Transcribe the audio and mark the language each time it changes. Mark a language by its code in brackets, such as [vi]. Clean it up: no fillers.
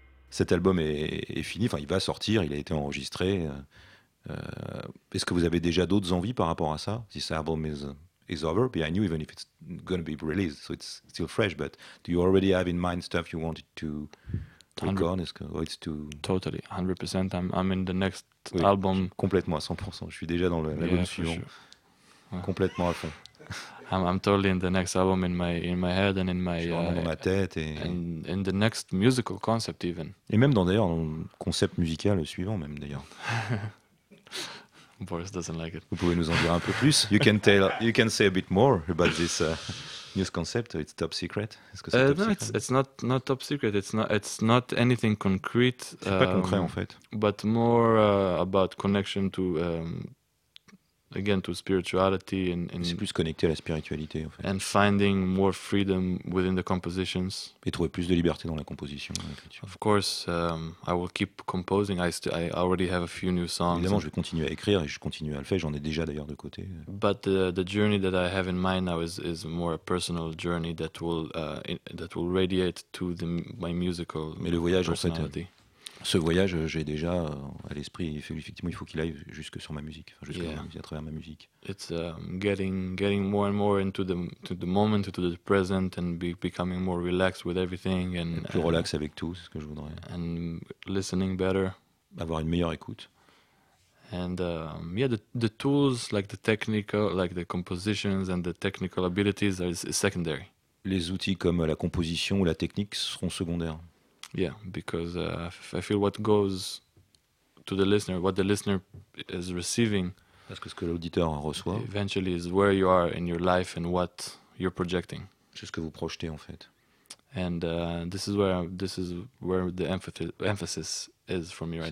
[fr] cet album est fini, enfin il va sortir, il a été enregistré. Est-ce que vous avez déjà d'autres envies par rapport à ça? [en] This album is over behind you, even if it's going to be released, so it's still fresh. But do you already have in mind stuff you wanted to record? It's too totally 100%. I'm in the next oui, album. [fr] Complètement à 100%. Je suis déjà dans l'album suivant. Sure. Complètement à fond. [en] I'm totally in the next album in my head and in my [fr] dans ma tête et [en] in the next musical concept even. [fr] Et même dans d'ailleurs concept musical suivant même d'ailleurs. [en] Boris doesn't like it. [fr] Vous pouvez nous en dire un peu plus. [en] You can say a bit more about this new concept. It's top secret. [fr] Est-ce que c'est top secret? [en] It's not top secret. It's not anything concrete. [fr] C'est pas concret en fait. [en] But more about connection to again to spirituality and [fr] c'est plus connecté à la spiritualité en fait. [en] And finding more freedom within the compositions. [fr] Et trouver plus de liberté dans la composition. [en] Of course, I will keep composing. I already have a few new songs. [fr] Évidemment, je vais continuer à écrire et je continue à le faire. J'en ai déjà d'ailleurs de côté. [en] But the journey that I have in mind now is more a personal journey that will radiate to my musical. [fr] Mais le voyage en fait. Ce voyage, j'ai déjà à l'esprit. Effectivement, il faut qu'il aille jusque sur ma musique, à travers ma musique. [en] It's getting more and more into the moment, into the present, and becoming more relaxed with everything. And [fr] plus relax avec tout, c'est ce que je voudrais. [en] And listening better. [fr] Avoir une meilleure écoute. [en] And the tools, like the technical, like the compositions and the technical abilities, are secondary. [fr] Les outils comme la composition ou la technique seront secondaires. [en] Yeah, because I feel what goes to the listener, what the listener is receiving. [fr] Parce que ce que l'auditeur reçoit. [en] Eventually, is where you are in your life and what you're projecting. [fr] C'est ce que vous projetez en fait. [en] And this is where the emphasis is from you right